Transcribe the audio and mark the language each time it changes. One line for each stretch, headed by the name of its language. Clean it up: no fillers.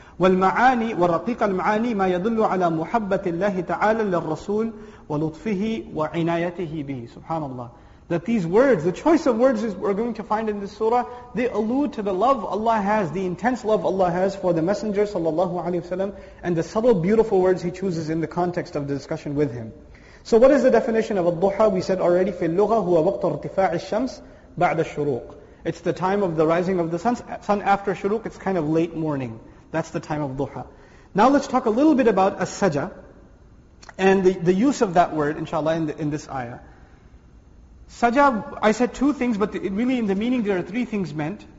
Arabic: وَالْمَعَانِي وَرَقِيقَ الْمَعَانِي مَا يَدُلُّ عَلَى مُحَبَّةِ اللَّهِ تَعَالَى لِلرَّسُولِ وَلُطْفِهِ وَعِنَايَتِهِ بِهِ. Subhanallah.
English: That these words, the choice of words is we're going to find in this surah, they allude to the love Allah has, the intense love Allah has for the Messenger sallallahu alaihi wasallam, and the subtle beautiful words He chooses in the context of the discussion with Him. So what is the definition of al-duha? We said already,
Arabic: فِي اللُّغَةِ هُوَ وَقْتُ ارْتِفَاعِ الشَّمْسِ بَعْدَ الشُّرُوقِ.
English: It's the time of the rising of the sun after shuruq, it's kind of late morning. That's the time of duha. Now let's talk a little bit about as-saja, and the use of that word, inshallah, in this ayah. Sajah, I said two things, but really in the meaning there are three things meant.